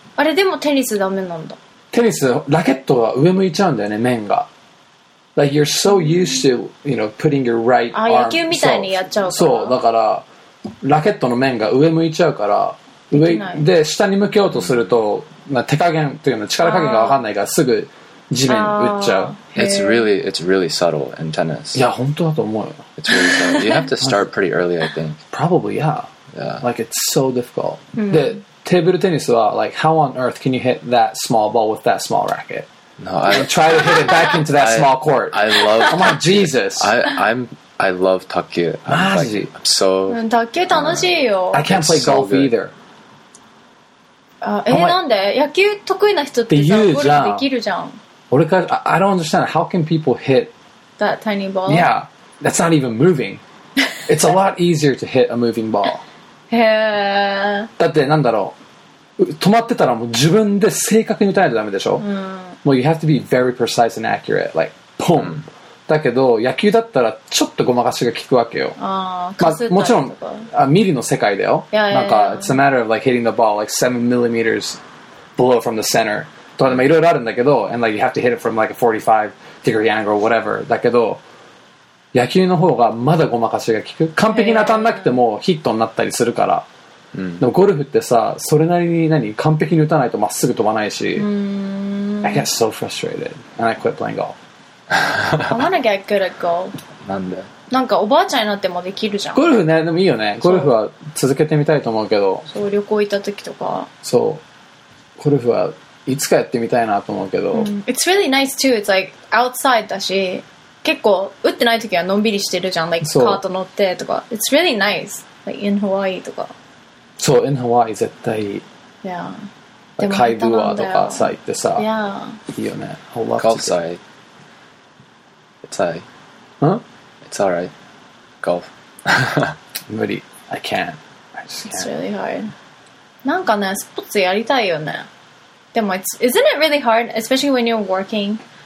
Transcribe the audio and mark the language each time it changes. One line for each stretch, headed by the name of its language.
Japanese: あれでもテニスダメなんだ。テニス、ラケットが上向いちゃうんだよね、面が。
English: Like, you're so used to, you know, putting your right arm.
Japanese: あ、野球みたいにやっちゃうから。そう、だから、ラケットの面が上向いちゃうから、上、で、下に向けようとすると、まあ、手加減っていうの、力加減がわかんないから、すぐ、地面打っちゃう。
English: It's really subtle in tennis.
Japanese: いや、本当だと思うよ。
English: It's really subtle. You have to start pretty early, I think. Probably, yeah. Yeah. Like, it's so difficult.
Japanese: で、テーブルテニスは、
English: like, how on earth can you hit that small ball with that small racket? No, try to hit it back into that small court. I love... Oh my Jesus! I love 卓球. Like, I'm so...
Japanese: 卓球楽しいよ.
English: I can't play golf either.
Japanese: なんで? 野球得意な人ってさ、ゴルフできるじゃん。俺か、
English: I don't understand. How can people hit that tiny ball? Yeah, that's not even moving. It's a lot easier to hit a moving ball.
Japanese: へぇ。だって、なんだろう。止まってたらもう自分で正確に打たないとダメでしょ。うん。
English: Well, you have to be very precise and accurate. Like, boom.
Japanese: だけど、野球だったらちょっとごまかしが効くわけよ。ああ、もちろん、ミリの世界だよ。いや、
English: なんか、it's a matter of like hitting the ball like 7 millimeters below from the center.
Japanese: とかでもいろいろあるんだけど、
English: and like you have to hit it from like a 45 degree angle or whatever.
Japanese: だけど、野球の方がまだごまかしが効く。完璧に当たんなくてもヒットになったりするから。でもゴルフってさ、それなりに何完璧に打たないとまっすぐ飛ばないし。
English: I get so frustrated and I quit playing golf. I wanna get good at golf.
Japanese: なんで？なんかおばあちゃんになってもできるじゃん。ゴルフね、でもいいよね。ゴルフは続けてみたいと思うけど。そう、旅行行った時とか。そう、ゴルフは。いつかやってみたいなと思うけど、
English: mm. It's really nice too. It's like outside
Japanese: だし、結構打ってない時はのんびりしてるじゃん。
English: Like
Japanese: カート乗ってとか。
English: It's really nice. Like in Hawaii
Japanese: とか。そう、 in Hawaii 絶対いい。
English: Yeah.
Japanese: カイブワとかさ行ってさ、
English: yeah.
Japanese: いいよね。
English: Golf side It's alright. Huh? It's alright. Golf.
Japanese: 無理。
English: I can't. It's really hard.
Japanese: なんかね、スポーツやりたいよね。
English: でも、isn't it really hard, especially when you're working?